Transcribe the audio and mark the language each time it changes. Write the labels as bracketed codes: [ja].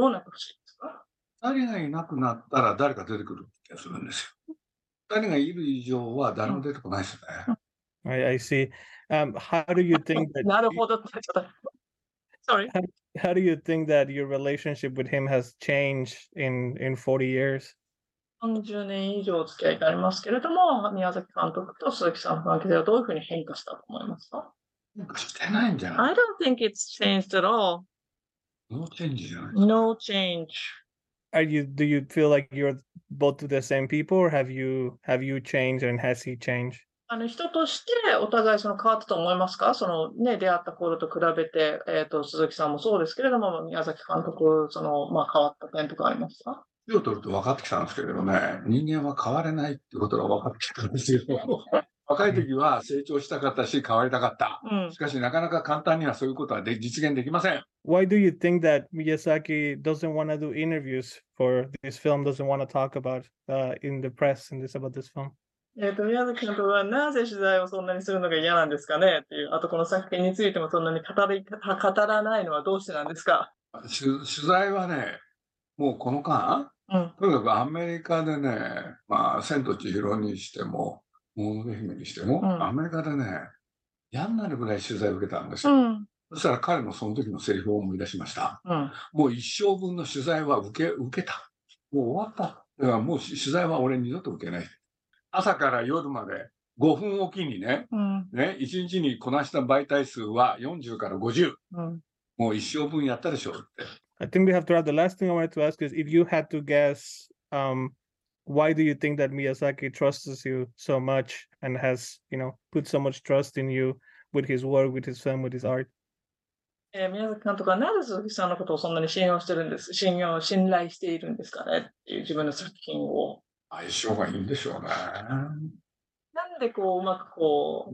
[ja] 宮崎さんがいなくなったらジブリはどうなるんですか? 誰がいなくなったら誰か出てくる気がするんですよ。誰がいる以上は誰も出てこないですね。 [en] I see. How do you think that... [ja] なるほど。 [en] Sorry. How do you think that your relationship with him has changed in 40 years? [ja] 40年以上付き合いがありますけれども、宮崎監督と鈴木さんの関係ではどういうふうに変化したと思いますか？変化してないんじゃない？ [en] I don't think it's changed at all. No change [ja] じゃないですか？ [en] No change. Do you feel like you're both the same people, or have you changed and has he changed? [ja] あの人としてお互いその変わったと思いますか？そのね、出会った頃と比べて、鈴木さんもそうですけれども、宮崎監督、その、まあ、変わった点とかありますか？手を取ると分かってきたんですけれどね、人間は変われないってことが分かってきたんですよ。若い時は成長したかったし、変わりたかった。しかし、なかなか簡単にはそういうことは実現できません。 [en] Why do you think that Miyazaki doesn't want to do interviews for this film, doesn't want to talk about, in the press and this about this film? [ja] 宮崎監督はなぜ取材をそんなにするのが嫌なんですかねっていう、あとこの作品についてもそんなに語らないのはどうしてなんですか？取材はね、もうこの間、うん、とにかくアメリカでね、まあ、千と千尋にしても、もののけ姫にしても、うん、アメリカでね、嫌になるぐらい取材を受けたんですよ、うん。そしたら彼のその時のセリフを思い出しました。うん、もう一生分の取材は受けた。もう終わった。だからもう取材は俺二度と受けない。朝から夜まで5分おきにね、うん、ね、1日にこなした媒体数は40から50、うん、もう一生分やったでしょうって。 [en] I think we have to add the last thing I wanted to ask is if you had to guess, why do you think that Miyazaki trusts you so much and has, you know, put so much trust in you with his work, with his film, with his art? [ja] 宮崎監督はなぜ鈴木さんのことをそんなに信用してるんです、信頼しているんですかねっていう自分の作品を。相性がいいんでしょうね。なんでこううまくこう。